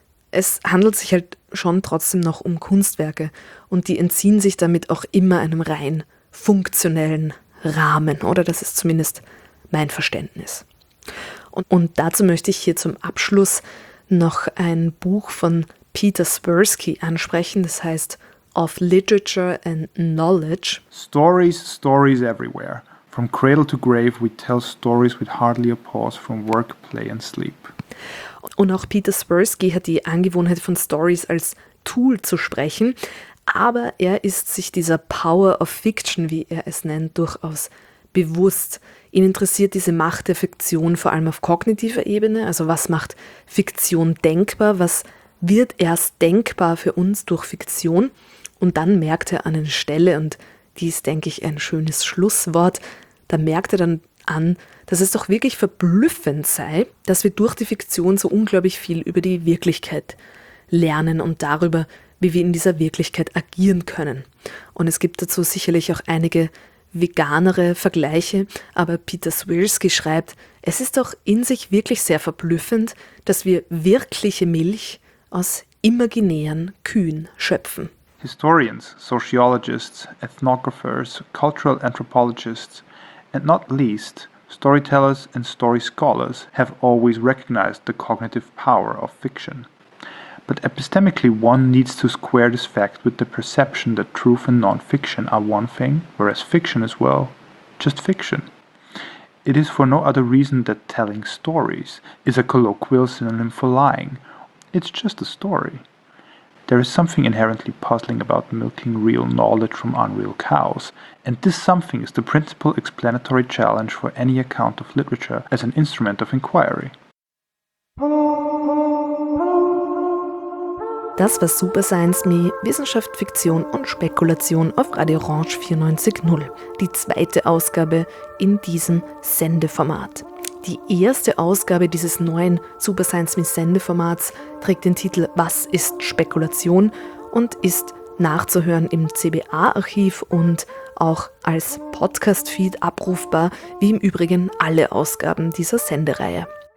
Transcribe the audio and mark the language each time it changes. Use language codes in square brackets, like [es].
[de] Es handelt sich halt schon trotzdem noch um Kunstwerke und die entziehen sich damit auch immer einem rein funktionellen Rahmen, oder? Das ist zumindest mein Verständnis. Und dazu möchte ich hier zum Abschluss noch ein Buch von Peter Swirsky ansprechen, das heißt [en] of literature and knowledge. Stories, stories everywhere. From cradle to grave, we tell stories with hardly a pause from work, play and sleep. [de] Und auch Peter Spursky hat die Angewohnheit, von Stories als Tool zu sprechen. Aber er ist sich dieser [en] Power of Fiction, [de] wie er es nennt, durchaus bewusst. Ihn interessiert diese Macht der Fiktion vor allem auf kognitiver Ebene. Also was macht Fiktion denkbar? Was wird erst denkbar für uns durch Fiktion? Und dann merkt er an eine Stelle, und dies, denke ich, ein schönes Schlusswort, da merkt er dann an, dass es doch wirklich verblüffend sei, dass wir durch die Fiktion so unglaublich viel über die Wirklichkeit lernen und darüber, wie wir in dieser Wirklichkeit agieren können. Und es gibt dazu sicherlich auch einige veganere Vergleiche, aber Peter Swirsky schreibt, es ist doch in sich wirklich sehr verblüffend, dass wir wirkliche Milch aus imaginären Kühen schöpfen. [en] Historians, sociologists, ethnographers, cultural anthropologists, and not least, storytellers and story scholars have always recognized the cognitive power of fiction. But epistemically, one needs to square this fact with the perception that truth and non-fiction are one thing, whereas fiction is, well, just fiction. It is for no other reason that telling stories is a colloquial synonym for lying. It's just a story. There is something inherently puzzling about milking real knowledge from unreal cows, and this something is the principal explanatory challenge for any account of literature as an instrument of inquiry. [de] Das war Super Science Me, Wissenschaft, Fiktion und Spekulation auf Radio Orange 94.0, die zweite Ausgabe in diesem Sendeformat. Die erste Ausgabe dieses neuen Super Science Me Sendeformats trägt den Titel Was ist Spekulation und ist nachzuhören im CBA-Archiv und auch als Podcast-Feed abrufbar, wie im Übrigen alle Ausgaben dieser Sendereihe.